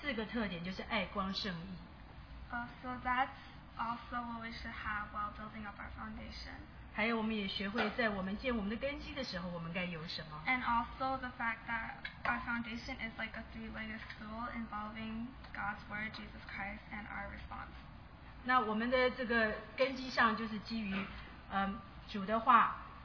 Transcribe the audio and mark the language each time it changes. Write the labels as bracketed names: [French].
[Chinese] 那我就学到了神的四个特点，就是爱、光、圣、义。 [English] So that's also what we should have while building up our foundation. [Chinese] 还有我们也学会在我们建我们的根基的时候我们该有什么。 [English] And also the fact that our foundation is like a three-legged stool involving God's Word, Jesus Christ, and our response. [Chinese] 那我们的这个根基上就是基于 主的话